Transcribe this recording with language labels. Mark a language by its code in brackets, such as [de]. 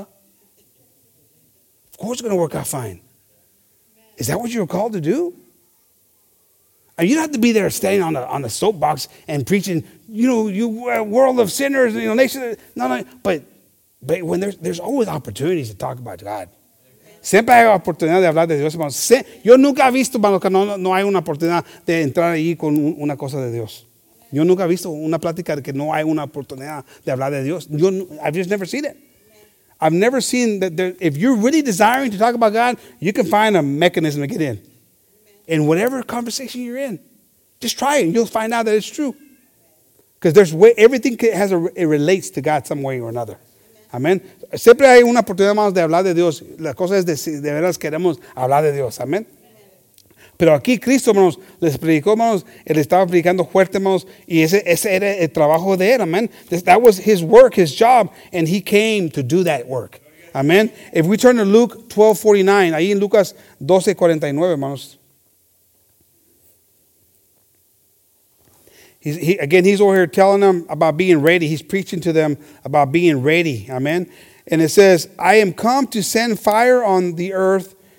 [en] Of course it's going to work out fine. Is that what you were called to do? You don't have to be there standing on the soapbox and preaching, you know, you world of sinners, you know, nation. No. But when there's always opportunities to talk about God. [es] Siempre hay oportunidad de hablar de Dios, hermano. Yo nunca he visto, hermano, que no hay una oportunidad de entrar ahí con una cosa de Dios. Yo nunca he visto una plática de que no hay una oportunidad de hablar de Dios. [en] I've just never seen it. I've never seen that there, if you're really desiring to talk about God, you can find a mechanism to get in. In whatever conversation you're in, just try it and you'll find out that it's true. Because there's way, everything has it relates to God some way or another. Amen. Amen. [es] Siempre hay una oportunidad más de hablar de Dios. La cosa es si de veras queremos hablar de Dios. Amen. Pero aquí Cristo, hermanos, les predicó, hermanos, él estaba predicando fuerte, hermanos, y ese era el trabajo de él, amen. [en] That was his work, his job, and he came to do that work, amen. If we turn to Luke 12:49, [es] ahí en Lucas 12:49, hermanos. [en] He's over here telling them about being ready. He's preaching to them about being ready, amen. And it says, I am come to send fire on the earth